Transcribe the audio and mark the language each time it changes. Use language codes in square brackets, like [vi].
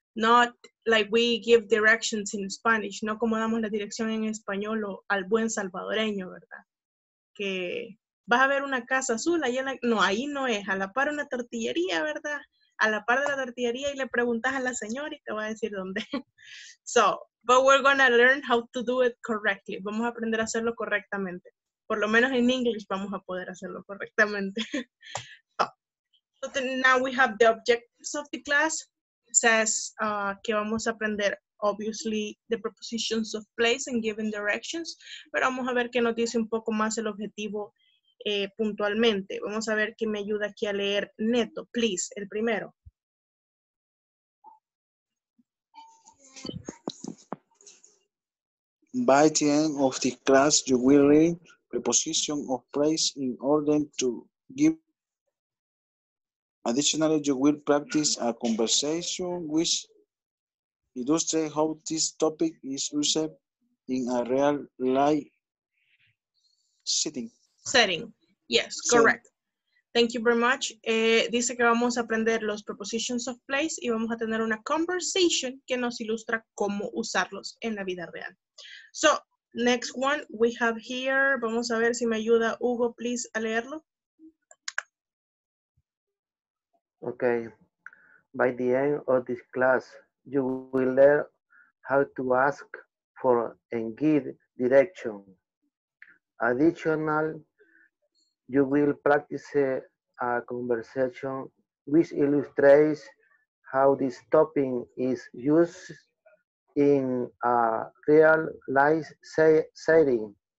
[en] Not like we give directions in Spanish, [es] no como damos la dirección en español o al buen salvadoreño, ¿verdad? Que vas a ver una casa azul, ahí en la, no, ahí no es, a la par una tortillería, ¿verdad? A la par de la tortillería y le preguntas a la señora y te va a decir dónde. [en] So, but we're going to learn how to do it correctly. [es] Vamos a aprender a hacerlo correctamente. Por lo menos en inglés vamos a poder hacerlo correctamente. [en] So now we have the objectives of the class. It says [es] que vamos a aprender, [en] obviously, the prepositions of place and given directions. [es] Pero vamos a ver qué nos dice un poco más el objetivo puntualmente. Vamos a ver qué me ayuda aquí a leer neto. Please, el primero. [en] By the end of the class, you will read preposition of place in order to give. Additionally, you will practice a conversation which illustrates how this topic is used in a real life setting. Setting, yes, correct. Setting. Thank you very much. [es] Dice que vamos a aprender los prepositions of place y vamos a tener una conversation que nos ilustra cómo usarlos en la vida real. [en] So, next one we have here. [es] Vamos a ver si me ayuda Hugo, please, a leerlo. [en] Okay. By the end of this class, you will learn how to ask for and give direction. Additionally, you will practice a conversation which illustrates how this topic is used in a real life setting.